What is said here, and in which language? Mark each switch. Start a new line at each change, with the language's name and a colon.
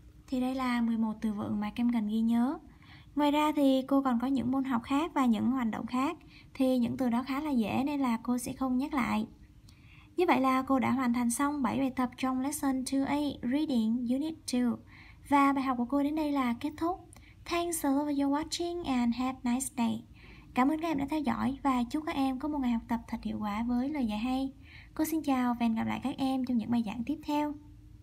Vietnamese: Thì đây là 11 từ vựng mà Kem cần ghi nhớ. Ngoài ra thì cô còn có những môn học khác và những hoạt động khác, thì những từ đó khá là dễ nên là cô sẽ không nhắc lại. Như vậy là cô đã hoàn thành xong 7 bài tập trong Lesson 2A Reading Unit 2. Và bài học của cô đến đây là kết thúc.
English: Thanks a lot for your watching and have a nice day.
Vietnamese: Cảm ơn các em đã theo dõi và chúc các em có một ngày học tập thật hiệu quả với lời dạy hay. Cô xin chào và hẹn gặp lại các em trong những bài giảng tiếp theo.